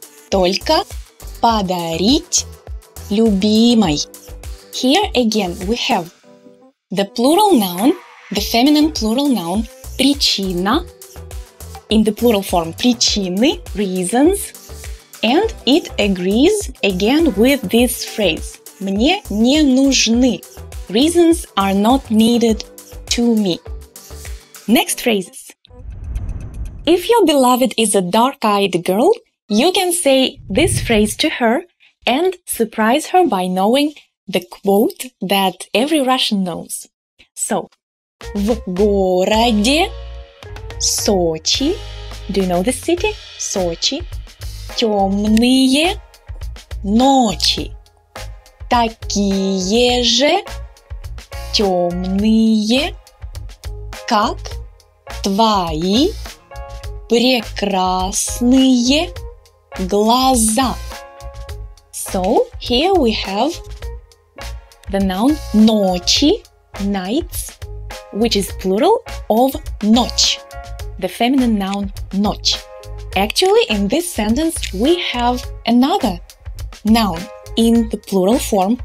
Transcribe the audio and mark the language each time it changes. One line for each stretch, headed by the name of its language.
Russian: Только подарить любимой.
English: Here again, we have the plural noun, the feminine plural noun, причина, in the plural form, причины, reasons, and it agrees again with this phrase.
Russian: Мне не нужны.
English: Reasons are not needed to me. Next phrases. If your beloved is a dark-eyed girl, you can say this phrase to her and surprise her by knowing the quote that every Russian knows. So,
Russian: в городе Сочи,
English: do you know the city?
Russian: Сочи, темные ночи, такие же темные, как твои прекрасные глаза.
English: So, here we have the noun ночи, nights, which is plural of ночь, the feminine noun ночь. Actually, in this sentence, we have another noun in the plural form.